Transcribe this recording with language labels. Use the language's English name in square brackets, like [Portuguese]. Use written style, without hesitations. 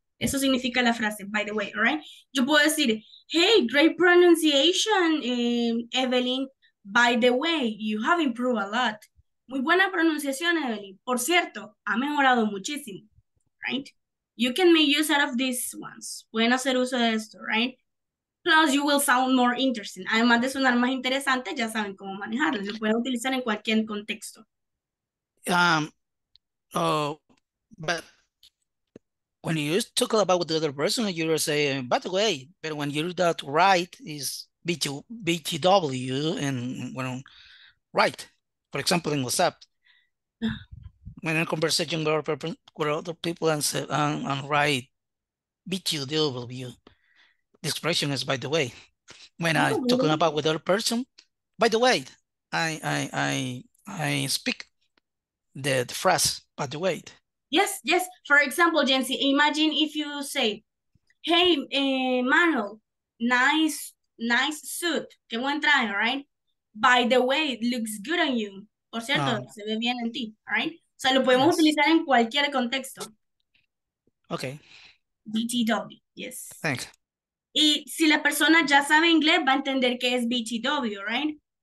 [Spanish] Eso significa la frase, [English] by the way, all right? [Spanish] Yo puedo decir, [English] hey, great pronunciation, Evelyn. By the way, you have improved a lot. [Spanish] Muy buena pronunciación, Evelyn. Por cierto, ha mejorado muchísimo, [English] right? You can make use out of these ones. [Spanish] Pueden hacer uso de esto, [English] right? Plus, you will sound more interesting. [Spanish] Además de sonar más interesante, ya saben cómo manejarlo. Lo pueden utilizar en cualquier contexto. [English] But when you talk about the other person, you will say, by the way, but when you do that right, is BTW, and when right. For example, in WhatsApp, when in conversation with other people and say, and write BTW, the expression is by the way. When I'm talking about with other person, by the way, I speak the phrase by the way. Yes, yes. For example, Jensi, imagine if you say, hey, Manuel, nice suit. [Spanish] Que buen traje, [English] right? By the way, it looks good on you. [Spanish] Por cierto, se ve bien en ti, [English] right? [Spanish] O sea, lo podemos utilizar en cualquier contexto. [English] Okay. BTW, yes. Thanks. [Spanish] Y si la persona ya sabe inglés, va a entender que es BTW, right?